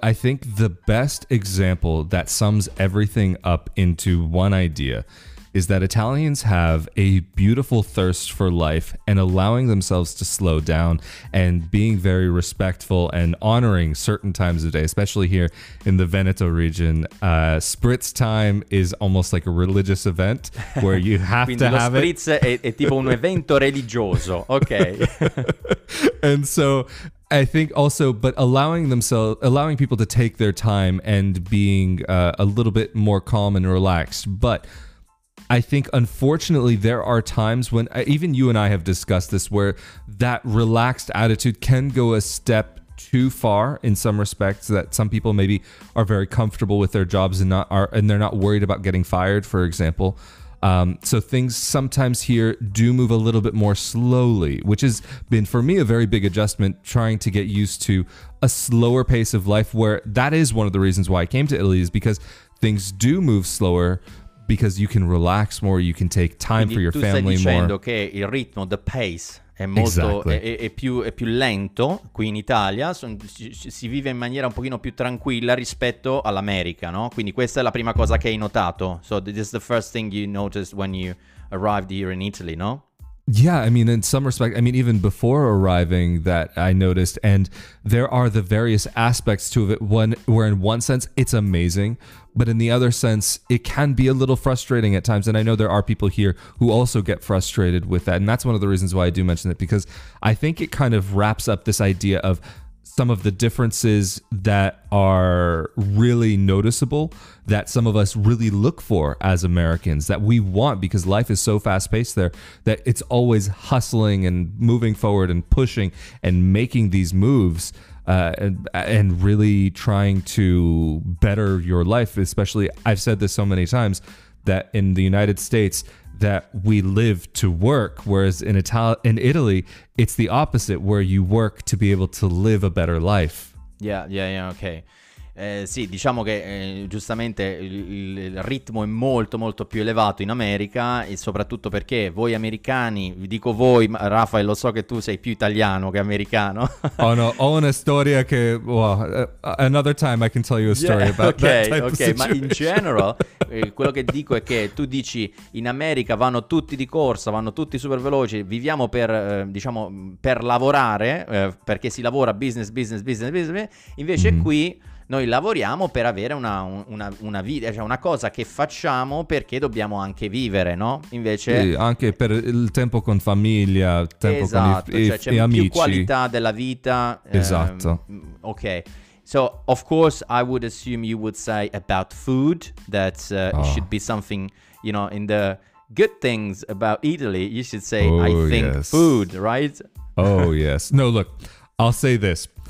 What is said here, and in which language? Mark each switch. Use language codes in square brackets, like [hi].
[en] I think the best example that sums everything up into one idea is that Italians have a beautiful thirst for life and allowing themselves to slow down and being very respectful and honoring certain times of day, especially here in the Veneto region. Spritz time is almost like a religious event where you have [it] Quindi [en] to have it. [it] Quindi lo spritz è tipo un evento religioso. [en] Okay. And so I think also, but allowing people to take their time and being a little bit more calm and relaxed. But I think, unfortunately, there are times when even you and I have discussed this, where that relaxed attitude can go a step too far in some respects, that some people maybe are very comfortable with their jobs and they're not worried about getting fired, for example. So things sometimes here do move a little bit more slowly, which has been for me a very big adjustment, trying to get used to a slower pace of life, where that is one of the reasons why I came to Italy, is because things do move slower because you can relax more, you can take time for your family more. [it] Quindi tu stai dicendo che il ritmo, [en] the pace, [it] è molto [en] exactly. [it] è più lento qui in Italia, si vive in maniera un pochino più tranquilla rispetto all'America, no? Quindi questa è la prima cosa che hai notato. [en] So this is the first thing you noticed when you arrived here in Italy, no? Yeah, I mean, in some respect, I mean, even before arriving that I noticed, and there are the various aspects to it, where in one sense, it's amazing, But in the other sense, it can be a little frustrating at times. And I know there are people here who also get frustrated with that. And that's one of the reasons why I do mention it, because I think it kind of wraps up this idea of some of the differences that are really noticeable that some of us really look for as Americans, that we want, because life is so fast paced there that it's always hustling and moving forward and pushing and making these moves and really trying to better your life. Especially, I've said this so many times, that in the United States that we live to work, whereas in Italy, it's the opposite, where you work to be able to live a better life. Okay. [it] Sì, diciamo che giustamente il ritmo è molto molto più elevato in America, e soprattutto perché voi americani, vi dico voi, Rafael, lo so che tu sei più italiano che americano. [en] Oh no, [it] ho una storia che, [en] well, another time I can tell you a story about that type of situation. [it] Ma in general, quello che dico è che tu dici in America vanno tutti di corsa, vanno tutti super veloci, viviamo per, diciamo, per lavorare, perché si lavora business, business, business, business, invece qui... Noi lavoriamo per avere una vita, cioè una cosa che facciamo perché dobbiamo anche vivere, no? Invece sì, anche per il tempo con famiglia, tempo esatto, con i, cioè c'è i amici. Più qualità della vita. Esatto. Ok. [en] So, of course, I would assume you would say about food that it should be something, you know, in the good things about Italy, you should say, I think food, right? Oh, yes. No, look, I'll say this.